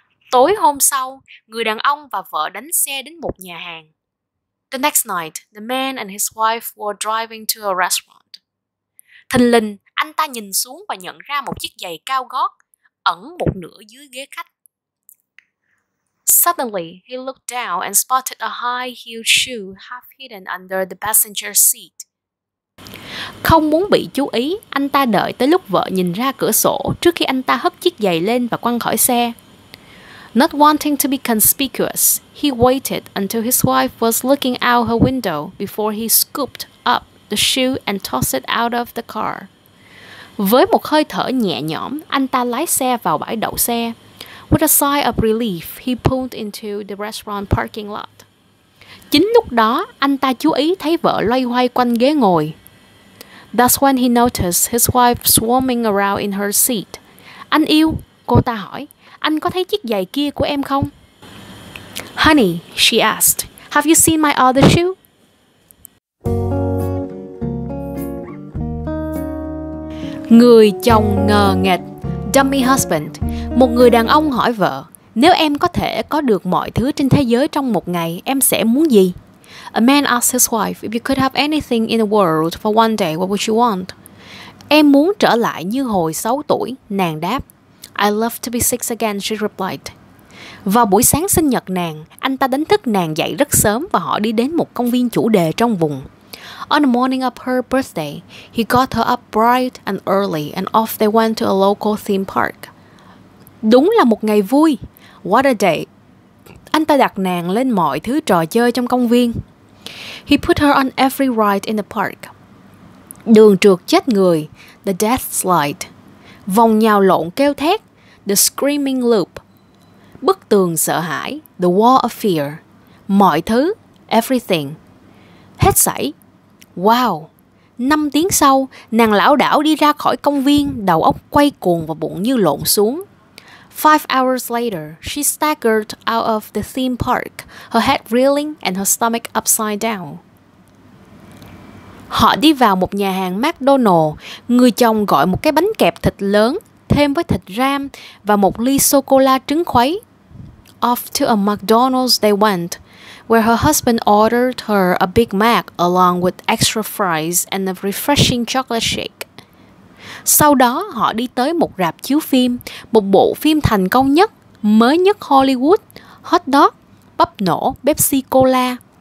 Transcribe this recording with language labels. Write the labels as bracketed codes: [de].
[vi] Tối hôm sau, người đàn ông và vợ đánh xe đến một nhà hàng. [en] The next night, the man and his wife were driving to a restaurant. [vi] Thình lình, anh ta nhìn xuống và nhận ra một chiếc giày cao gót ẩn một nửa dưới ghế khách. [en] Suddenly, he looked down and spotted a high-heeled shoe half hidden under the passenger seat. [vi] Không muốn bị chú ý, anh ta đợi tới lúc vợ nhìn ra cửa sổ trước khi anh ta hất chiếc giày lên và quăng khỏi xe. [en] Not wanting to be conspicuous, he waited until his wife was looking out her window before he scooped up the shoe and tossed it out of the car. [vi] Với một hơi thở nhẹ nhõm, anh ta lái xe vào bãi đậu xe. [en] With a sigh of relief, he pulled into the restaurant parking lot. [vi] Chính lúc đó, anh ta chú ý thấy vợ loay hoay quanh ghế ngồi. [en] That's when he noticed his wife swarming around in her seat. [vi] Anh yêu, cô ta hỏi, anh có thấy chiếc giày kia của em không? [en] Honey, she asked, have you seen my other shoe? [vi] Người chồng ngờ nghệch, [en] dummy husband. [vi] Một người đàn ông hỏi vợ, nếu em có thể có được mọi thứ trên thế giới trong một ngày, em sẽ muốn gì? [en] A man asked his wife, if you could have anything in the world for one day, what would you want? [vi] Em muốn trở lại như hồi 6 tuổi, nàng đáp. [en] I love to be 6 again, she replied. [vi] Vào buổi sáng sinh nhật nàng, anh ta đánh thức nàng dậy rất sớm và họ đi đến một công viên chủ đề trong vùng. [en] On the morning of her birthday, he got her up bright and early and off they went to a local theme park. [vi] Đúng là một ngày vui. [en] What a day. [vi] Anh ta đặt nàng lên mọi thứ trò chơi trong công viên. [en] He put her on every ride in the park. [vi] Đường trượt chết người. [en] The death slide. [vi] vòng nhào lộn kêu thét, [en] the screaming loop, [vi] bức tường sợ hãi, [en] the wall of fear, [vi] mọi thứ, [en] everything, [vi] hết sảy. [en] Wow! [vi] 5 tiếng sau, nàng lão đảo đi ra khỏi công viên, đầu óc quay cuồng và bụng như lộn xuống. [en] 5 hours later, she staggered out of the theme park, her head reeling and her stomach upside down. [vi] Họ đi vào một nhà hàng McDonald's, người chồng gọi một cái bánh kẹp thịt lớn, thêm với thịt ram và một ly sô-cô-la trứng khuấy. [en] Off to a McDonald's they went, where her husband ordered her a Big Mac along with extra fries and a refreshing chocolate shake. [vi] Sau đó, họ đi tới một rạp chiếu phim, một bộ phim thành công nhất, mới nhất Hollywood, Hot Dog, Bắp Nổ, Pepsi Cola.